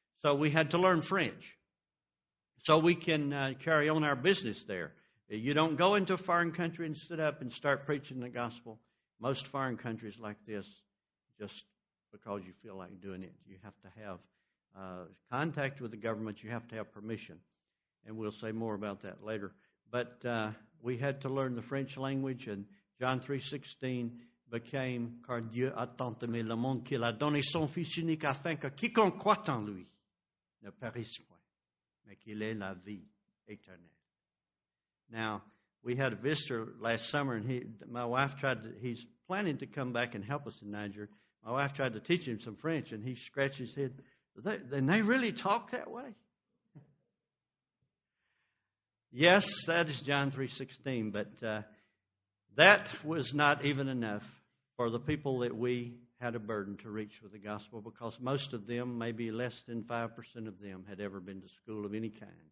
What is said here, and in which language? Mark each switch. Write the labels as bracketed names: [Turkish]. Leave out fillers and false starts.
[English] So we had to learn French so we can carry on our business there. You don't go into a foreign country and sit up and start preaching the gospel. Most foreign countries like this, just because you feel like doing it, you have to have contact with the government. You have to have permission. And we'll say more about that later. But we had to learn the French language, and John 3:16 became, [French] car Dieu a tant aimé le monde qu'il a donné son fils unique afin que quiconque croit en lui ne périsse point, mais qu'il ait la vie éternelle. [English] Now, we had a visitor last summer, and he's planning to come back and help us in Niger. My wife tried to teach him some French, and he scratched his head. They really talk that way? Yes, that is John 3:16, but that was not even enough for the people that we had a burden to reach with the gospel, because most of them, maybe less than 5% of them, had ever been to school of any kind.